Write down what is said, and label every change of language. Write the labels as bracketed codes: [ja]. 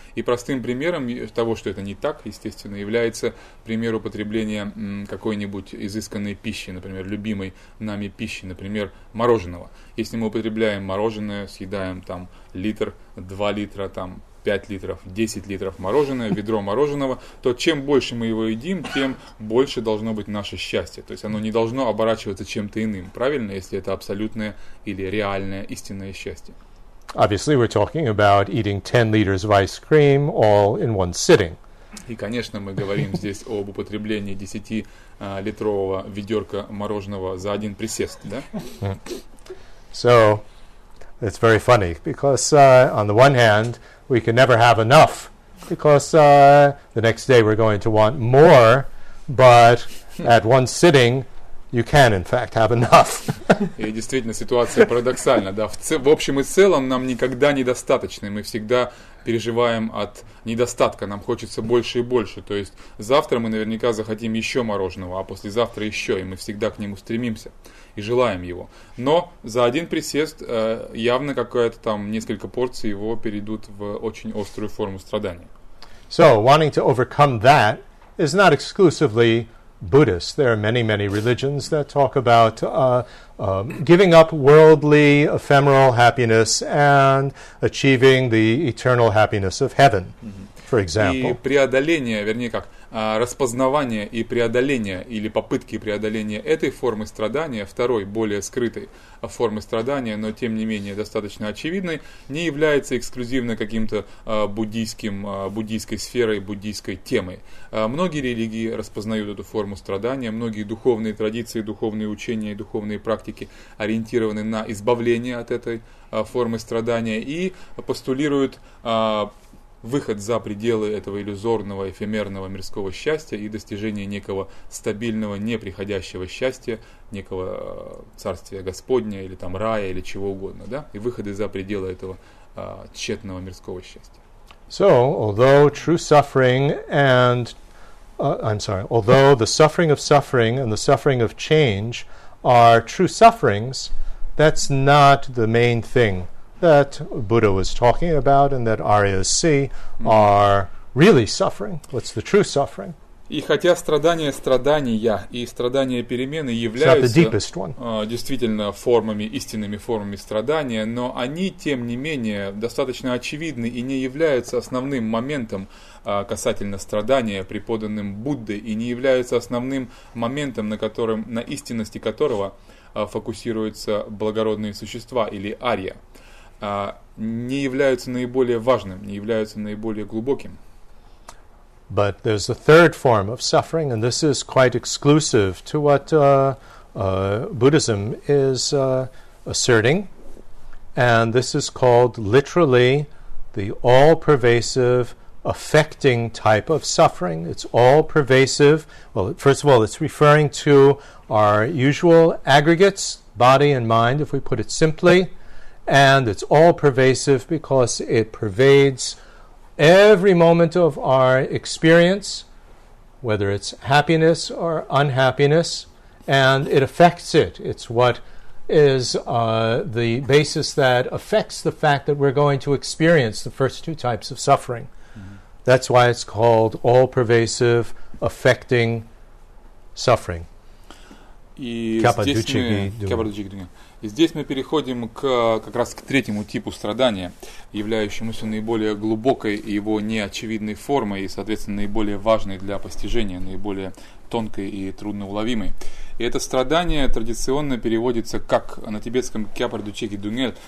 [ru] И простым примером того, что это не так, естественно, является пример употребления какой-нибудь изысканной пищи, например, любимой нами пищи, например, мороженого. Если мы употребляем мороженое, съедаем там литр, 2 литра, там 5 литров, 10 литров мороженое, ведро мороженого, то чем больше мы его едим, тем больше должно быть наше счастье. То есть оно не должно оборачиваться чем-то иным, правильно, если это абсолютное или реальное истинное счастье. [en] Obviously, we're talking about eating 10 liters of ice cream all in one sitting. [ru] И, конечно, мы говорим здесь об употреблении 10-литрового ведерка мороженого за один присест, да? [en] So, it's very funny, because on the one hand, we can never have enough, because the next day we're going to want more, but at one sitting, you can, in fact, have enough. [ru] И действительно, ситуация парадоксальна, да. В общем и целом, нам никогда недостаточно, мы всегда переживаем от недостатка, нам хочется больше и больше. То есть завтра мы наверняка захотим еще мороженого, а послезавтра еще, и мы всегда к нему стремимся и желаем его. Но за один присест явно какое-то там несколько порций его перейдут в очень острую форму страдания. [en] So, wanting to overcome that is not exclusively Buddhist. There are many, many religions that talk about giving up worldly, ephemeral happiness and achieving the eternal happiness of heaven, for example. [ru] И преодоление, вернее как, распознавание и преодоление, или попытки преодоления этой формы страдания, второй, более скрытой формы страдания, но тем не менее достаточно очевидной, не является эксклюзивно каким-то буддийской сферой, буддийской темой. Многие религии распознают эту форму страдания, многие духовные традиции, духовные учения и духовные практики ориентированы на избавление от этой формы страдания и постулируют выход за пределы этого иллюзорного, эфемерного мирского счастья и достижение некого стабильного, неприходящего счастья, некого царствия Господня, или там рая, или чего угодно, да? И выходы за пределы этого тщетного мирского счастья. [en] So, although true suffering and... although the suffering of suffering and the suffering of change are true sufferings, that's not the main thing that Buddha was talking about and that Aryas see are really suffering. What's the true suffering? [ru] И хотя страдания страдания и страдания перемены являются действительно формами, истинными формами страдания, но они, тем не менее, достаточно очевидны и не являются основным моментом касательно страдания, преподанным Буддой, и не являются основным моментом, на истинности которого фокусируются благородные существа или Арья. Не являются наиболее важным, не являются наиболее глубоким. [en] But there's a third form of suffering, and this is quite exclusive to what Buddhism is asserting, and this is called literally the all-pervasive affecting type of suffering. It's all-pervasive. Well, first of all, it's referring to our usual aggregates, body and mind, if we put it simply. And it's all pervasive because it pervades every moment of our experience, whether it's happiness or unhappiness, and it affects it. It's what is the basis that affects the fact that we're going to experience the first two types of suffering. Mm-hmm. That's why it's called all pervasive affecting suffering. [ru] И здесь мы переходим как раз к третьему типу страдания, являющемуся наиболее глубокой и его неочевидной формой, и, соответственно, наиболее важной для постижения, наиболее тонкой и трудноуловимой. И это страдание традиционно переводится как на тибетском кяпардучеги дунель.